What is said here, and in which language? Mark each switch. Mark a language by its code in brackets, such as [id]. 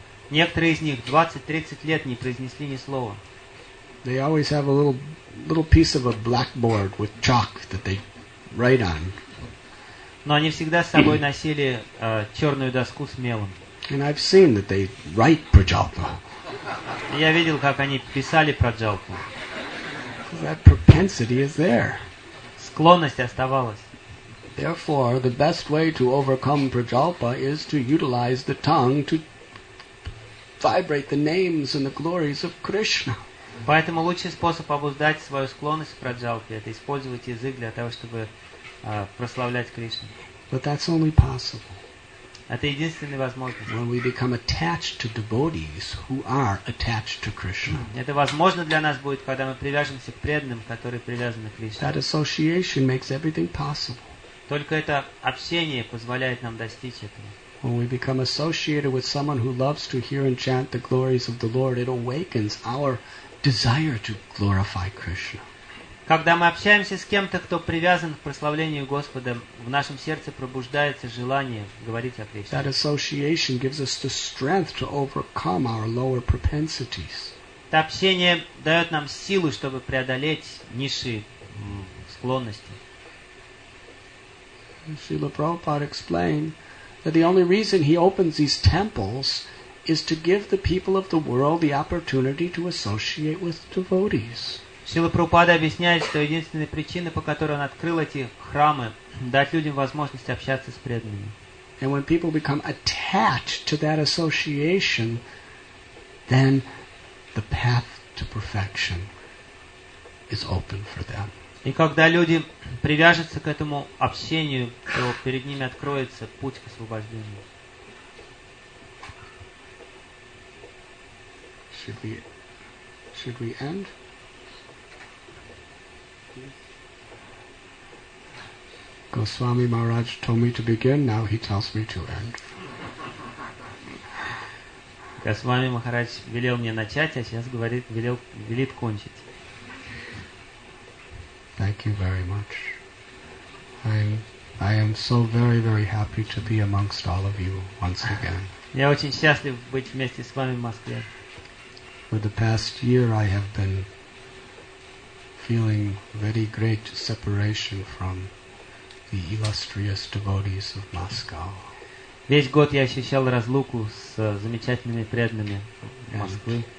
[ru] Некоторые из них 20-30 лет не произнесли ни слова. [en] They always have a little piece of a blackboard with chalk that they write on. [ru] Но они всегда с собой носили черную доску с мелом. [en] And I've seen that they write prajalpa. [ru] Я видел, как они писали праджалпу. [en] That propensity is there. [ru] Склонность оставалась. [en] Therefore, the best way to overcome prajalpa is to utilize the tongue to vibrate the names and the glories of Krishna. [ru] Поэтому лучший способ обуздать свою склонность к праджалпе — это использовать язык для того, чтобы прославлять Кришну. [en] But that's only possible. [ru] Это единственная возможность. [en] When we become attached to devotees who are attached to Krishna. [ru] Это возможно для нас будет, когда мы привяжемся к преданным, которые привязаны к Кришне. [en] That association makes everything possible. [ru] Только это общение позволяет нам достичь этого. [en] When we become associated with someone who loves to hear and chant the glories of the Lord, it awakens our desire to glorify Krishna. [ru] Когда мы общаемся с кем-то, кто привязан к прославлению Господа, в нашем сердце пробуждается желание говорить о Кришне. [en] That association gives us the strength to overcome our lower propensities. [ru] Это общение дает нам силу, чтобы преодолеть низшие склонности. [en] Srila Prabhupada explained that the only reason he opens these temples is to give the people of the world the opportunity to associate with devotees. [ru] Шрила Прабхупада объясняет, что единственная причина, по которой он открыл эти храмы, дать людям возможность общаться с преданными. [en] And when people become attached to that association, then the path to perfection is open for them. [ru] И когда люди привяжутся к этому общению, то перед ними откроется путь к освобождению. [en] Should we end? Goswami Maharaj told me to begin, now he tells me to end. [ru] Goswami Maharaj велел мне начать, а сейчас говорит, велит кончить. [en] Thank you very much. I am so very, very happy to be amongst all of you once again. [ru] Я очень счастлив быть вместе с вами в Москве. [en] For the past year I have been feeling very great separation from the illustrious devotees of Moscow. [ru] Весь год я ощущал разлуку с замечательными преданными Москвы